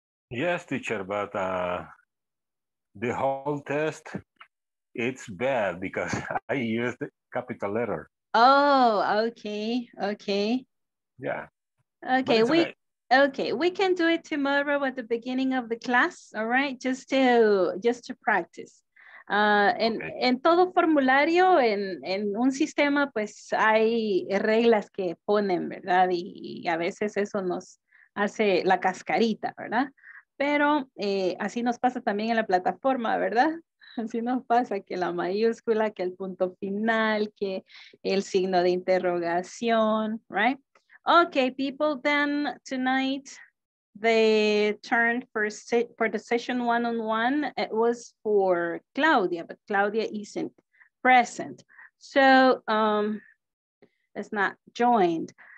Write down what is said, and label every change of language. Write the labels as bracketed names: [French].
[English] Yes, teacher, but the whole test, it's bad because I used capital letter. Oh, okay. Yeah. Okay, we can do it tomorrow at the beginning of the class, all right? Just to practice. [Spanish] En todo formulario, en un sistema, pues hay reglas que ponen, ¿verdad? Y a veces eso nos hace la cascarita, ¿verdad? Pero así nos pasa también en la plataforma, ¿verdad? Así nos pasa que la mayúscula, que el punto final, que el signo de interrogación, right? [English] Okay, people, then tonight the turn for the session one-on-one, it was for Claudia, but Claudia isn't present. So it's not joined.